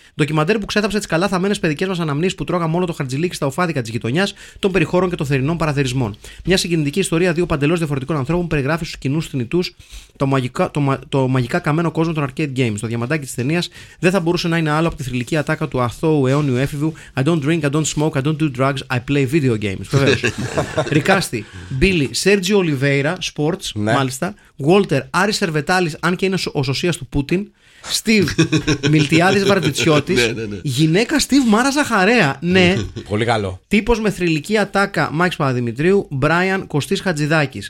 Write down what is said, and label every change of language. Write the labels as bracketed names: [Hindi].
[Greek] Ντοκιμαντέρ που ξέταψε τις καλά θαμμένες παιδικές μας αναμνήσεις που τρώγαμε όλο το χαρτζιλίκι στα οφάδικα της γειτονιάς, των περιχώρων και των θερινών παραθερισμών. Μια συγκινητική ιστορία δύο παντελώς διαφορετικών ανθρώπων που περιγράφει στους κοινούς θνητούς το μαγικά καμένο κόσμο των arcade games. Το διαμαντάκι της ταινίας δεν θα μπορούσε να είναι άλλο από τη θρηλυκή ατάκα του αθώου αιώνιου έφηβου. [English] I don't drink, I don't smoke, I don't do drugs, I play video games. [Greek] Βεβαίως. Ρικάστη, Billy, Sergio Oliveira, sports, ναι. Μάλιστα. Walter, Άρη Σερβετάλης, αν και είναι ο σωσίας του Πούτιν. Στίβ Μιλτιάδης Βαρδιτσιώτης. Ναι. Γυναίκα Στίβ Μάρα Ζαχαρέα. Ναι. Πολύ καλό. Τύπος με θρηλυκή ατάκα Μάκης Παπαδημητρίου. Μπράιαν Κωστής Χατζηδάκης.